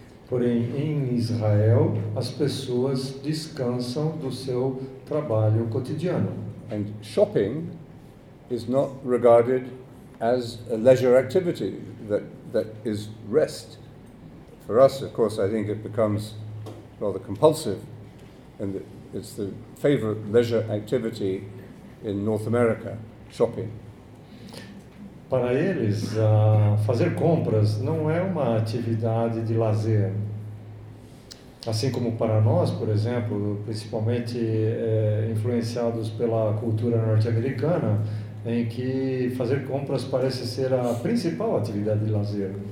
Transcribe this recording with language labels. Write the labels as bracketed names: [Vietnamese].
[Portuguese] Porém, em Israel, as pessoas descansam do seu trabalho cotidiano. [English] And shopping is not regarded as a leisure activity that is rest. For us, of course, I think it becomes rather compulsive, and it's the favorite leisure activity in North America, shopping. [Portuguese] Para eles, fazer compras não é uma atividade de lazer. Assim como para nós, por exemplo, principalmente influenciados pela cultura norte-americana, em que fazer compras parece ser a principal atividade de lazer.